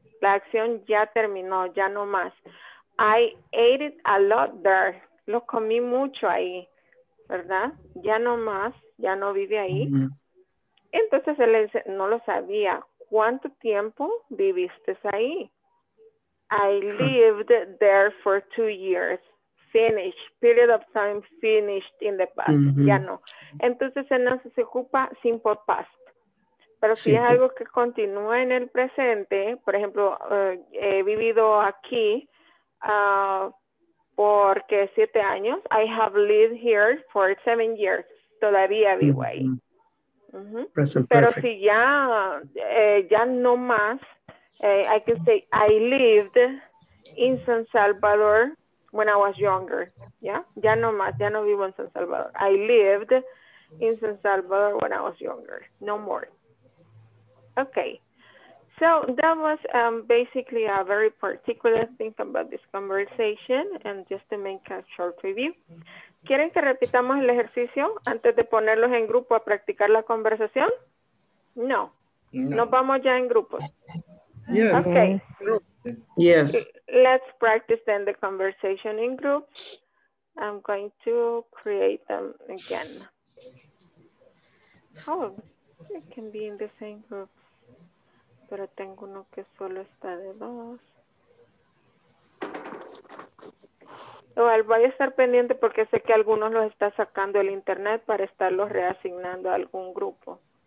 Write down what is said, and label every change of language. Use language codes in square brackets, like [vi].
[es] La acción ya terminó, ya no más. [en] I ate it a lot there, [es] lo comí mucho ahí, ¿verdad? Ya no más, ya no vive ahí. Entonces él le dice, no lo sabía, ¿cuánto tiempo viviste ahí? [en] I lived there for 2 years. Finished, period of time finished in the past, [es] ya no. Entonces se nos ocupa simple past. Pero si simple. Es algo que continúa en el presente, por ejemplo, he vivido aquí porque 7 años, [en] I have lived here for 7 years, [es] todavía vivo ahí. Pero si ya, ya no más, [en] I can say I lived in San Salvador when I was younger, yeah? [es] Ya no más, ya no vivo en San Salvador. [en] I lived in San Salvador when I was younger, no more. Okay, so that was basically a very particular thing about this conversation, and just to make a short review. [es] ¿Quieren que repitamos el ejercicio antes de ponerlos en grupo a practicar la conversación? No, no. Nos vamos ya en grupos. [en] Yes. Okay. Yes. Let's practice then the conversation in groups. I'm going to create them again. Oh, it can be in the same group. [es] Pero tengo uno que solo está de dos. Igual voy a estar pendiente porque sé que algunos los está sacando el internet para estarlos reasignando a algún grupo.